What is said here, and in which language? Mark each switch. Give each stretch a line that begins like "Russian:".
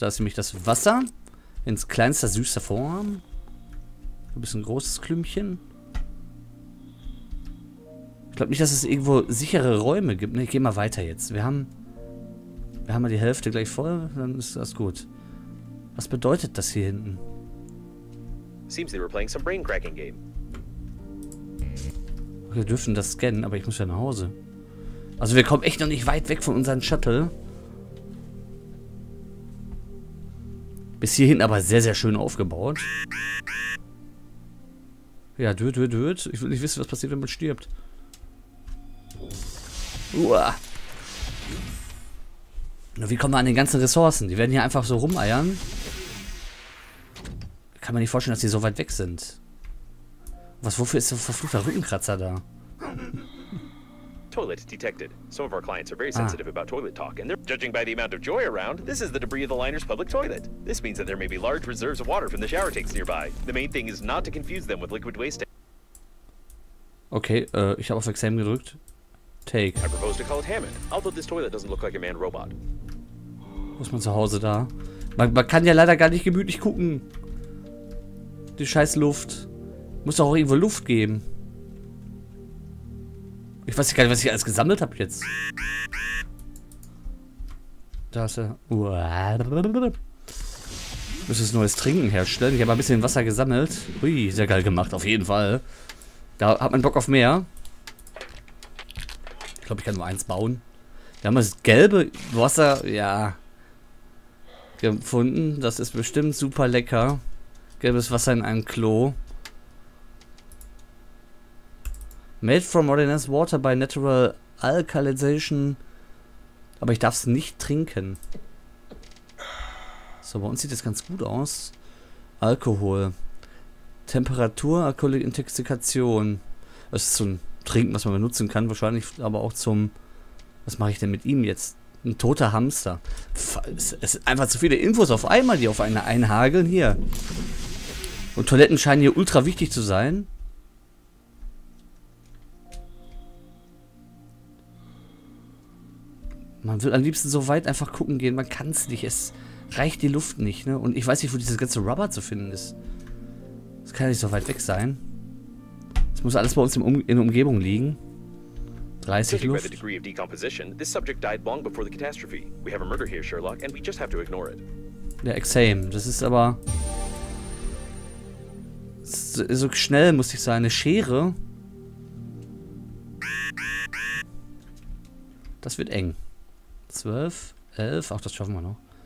German: Da ist nämlich das Wasser ins kleinste, süße Form. Ein bisschen großes Klümpchen. Ich glaube nicht, dass es irgendwo sichere Räume gibt. Ne, ich gehe mal weiter jetzt. Wir haben mal die Hälfte gleich voll, dann ist das gut. Was bedeutet das hier hinten?
English: Seems they were playing some brain cracking game.
German: Wir dürfen das scannen, aber ich muss ja nach Hause. Also wir kommen echt noch nicht weit weg von unserem Shuttle. Bis hier hinten aber sehr, sehr schön aufgebaut. Ja, död. Ich will nicht wissen, was passiert, wenn man stirbt. Uah. Nur wie kommen wir an den ganzen Ressourcen? Die werden hier einfach so rumeiern. Kann man nicht vorstellen, dass die so weit weg sind. Was, wofür ist so ein verfluchter Rückenkratzer da?
English: Toilet detected. Some of our clients are very sensitive about toilet talk, and they're judging by the amount of joy around. This is the debris of the liner's public toilet. This means that there may be large reserves of water from the shower tanks nearby. The main thing is not to confuse them with liquid waste.
German: Okay, ich habe auf Exam gedrückt.
English: Take. I propose to call it Hammond. Although this toilet doesn't look like a manned robot.
German: Wo ist man zu Hause da? Man kann ja leider gar nicht gemütlich gucken. Die scheiß Luft. Muss doch auch irgendwo Luft geben. Ich weiß gar nicht, was ich alles gesammelt habe jetzt. Da ist er. Müssen wir neues Trinken herstellen. Ich habe ein bisschen Wasser gesammelt. Hui, sehr geil gemacht, auf jeden Fall. Da hat man Bock auf mehr. Ich glaube, ich kann nur eins bauen. Wir haben das gelbe Wasser, ja, gefunden. Das ist bestimmt super lecker. Gelbes Wasser in einem Klo.
English: Made from ordinary water by natural alkalization.
German: Aber ich darf es nicht trinken. So, bei uns sieht das ganz gut aus. Alkohol. Temperatur, alkoholische Intoxikation. Das ist zum Trinken, was man benutzen kann. Wahrscheinlich aber auch zum... Was mache ich denn mit ihm jetzt? Ein toter Hamster. Es sind einfach zu viele Infos auf einmal, die auf einen einhageln hier. Und Toiletten scheinen hier ultra wichtig zu sein. Man will am liebsten so weit einfach gucken gehen. Man kann es nicht. Es reicht die Luft nicht. Ne? Und ich weiß nicht, wo dieses ganze Rubber zu finden ist. Das kann ja nicht so weit weg sein. Es muss alles bei uns in der Umgebung liegen. 30 Luft.
English: By the degree of decomposition, this subject died long before the catastrophe. We have a murder here, Sherlock, and we just have to ignore it.
German: Ja, exam. Das ist aber... So schnell muss ich sein. Eine Schere. Das wird eng. 12, 11, ach, das schaffen wir noch.